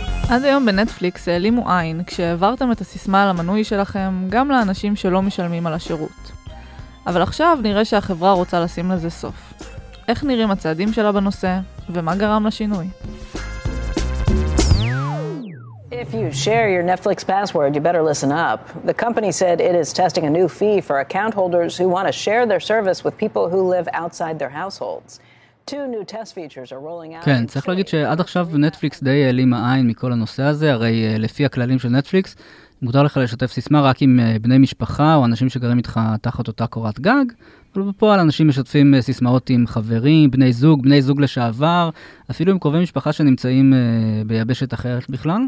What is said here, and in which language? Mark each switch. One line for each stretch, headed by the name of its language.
Hebrew: עד היום בנטפליקס העלימו עין כשהעברתם את הסיסמה על המנוי שלכם גם לאנשים שלא משלמים על השירות. אבל עכשיו נראה שהחברה רוצה לשים לזה סוף. איך נראים הצעדים שלה בנושא, ומה גרם לשינוי?
English: If you share your Netflix password, you better listen up. The company said it is testing a new fee for account holders who want to share their service with people who live outside their households. Two new test features are rolling out.
Hebrew: כן, צריך להגיד שעד עכשיו נטפליקס די העלים העין מכל הנושא הזה, הרי לפי הכללים של נטפליקס, מותר לך לשתף סיסמה רק עם בני משפחה או אנשים שגרים איתך תחת אותה קורת גג, אבל בפועל אנשים משתפים סיסמאות עם חברים, בני זוג, בני זוג לשעבר, אפילו עם קרובי משפחה שנמצאים ביבשת אחרת בכלל.